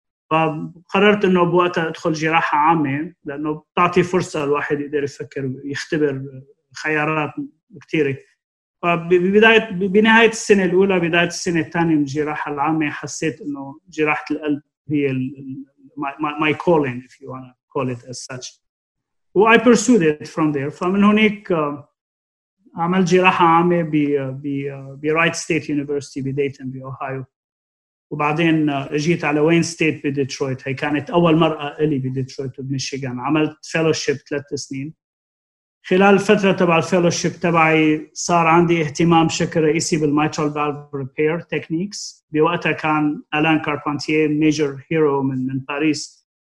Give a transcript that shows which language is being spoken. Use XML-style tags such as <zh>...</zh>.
<ar>فقررت أنه بوقتها أدخل جراحة عامة لأنه بتعطي فرصة الواحد يقدر يفكر ويختبر خيارات كتيرة. بنهاية السنة الأولى بداية السنة الثانية من الجراحة العامة حسيت أنه جراحة القلب هي</ar> <en>my calling if you want to call it as such. Well, I pursued it from there. From there, I did a general surgery at Wright State University in Dayton, Ohio.</en> <ar>وبعدين جيت على وين ستيت بديترويت. هي كانت أول مرأة إلي بديترويت بميشيغان. عملت فيلوشيب 3 سنين. خلال الفترة تبع الفيلوشيب تبعي صار عندي اهتمام بشكل رئيسي</ar> <en>بالميترال بالف ريبير تكنيكس.</en> <ar>بوقتها كان ألان كاربانتيه ميجر هيرو من باريس.</ar>